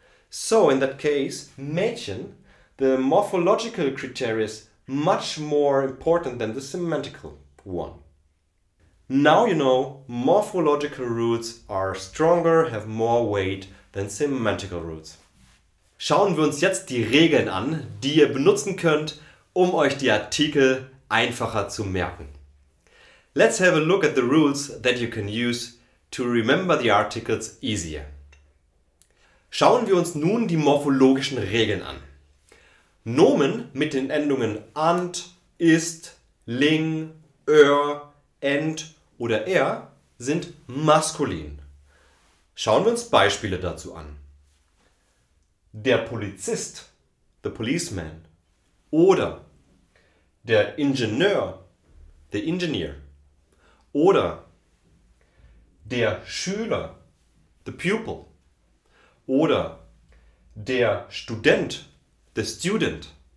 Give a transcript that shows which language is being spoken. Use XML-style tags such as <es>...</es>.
<en>So in that case, Mädchen, the morphological criteria is much more important than the semantical one. Now you know, morphological roots are stronger, have more weight than semantical roots.</en> <de>Schauen wir uns jetzt die Regeln an, die ihr benutzen könnt, um euch die Artikel einfacher zu merken.</de> <en>Let's have a look at the rules that you can use to remember the articles easier.</en> <de>Schauen wir uns nun die morphologischen Regeln an. Nomen mit den Endungen ant, ist, ling, er, ent oder er sind maskulin. Schauen wir uns Beispiele dazu an. Der Polizist,</de> <en>the policeman,</en> <de>oder der Ingenieur,</de> <en>the engineer,</en> <de>oder der Schüler,</de> <en>the pupil,</en> <de>oder der Student,</de> <en>the student.</en>